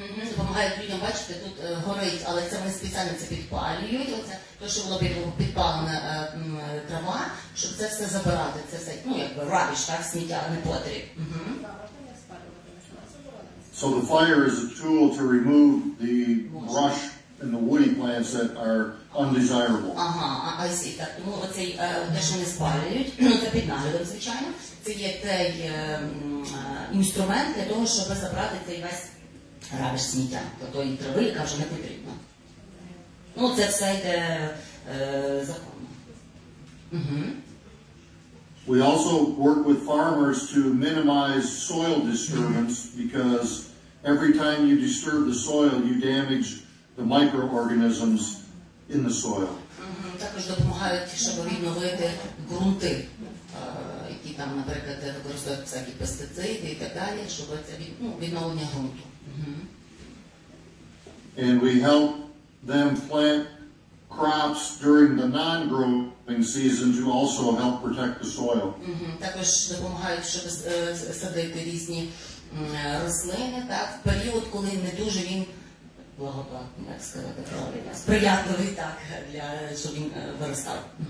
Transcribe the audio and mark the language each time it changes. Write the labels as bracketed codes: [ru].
[uk] Допомагають людям, бачите, тут горить, але це вони спеціально це підпалюють. Оце те, що було підпалена трава, щоб це все забирати. Це все, ну, якби rubbish, так, сміття не потріб. [en] So the fire is a tool to remove the brush and the woody plants that are undesirable. Ага, I see. [uk] Так, тому оцей те, що вони спалюють, це під наглядом, звичайно. Це є той інструмент для того, щоб забрати цей весь рабиш сміття, то тої трави, яка вже не потрібна. Ну, це все йде законно. [en] We also work with farmers to minimize soil disturbance because every time you disturb the soil, you damage the microorganisms in the soil. [uk] Також допомагають, щоб відновити ґрунти, які там, наприклад, використовують всякі пестициди і так далі, щоб це відновлення ґрунту. [en] And we help them plant crops during the non-growing season to also help protect the soil. [uk] Також допомагають, щоб садити різні рослини, так, в період, коли не дуже він благодатний, як сказати, правильно, сприятливий, так, для, щоб він виростав.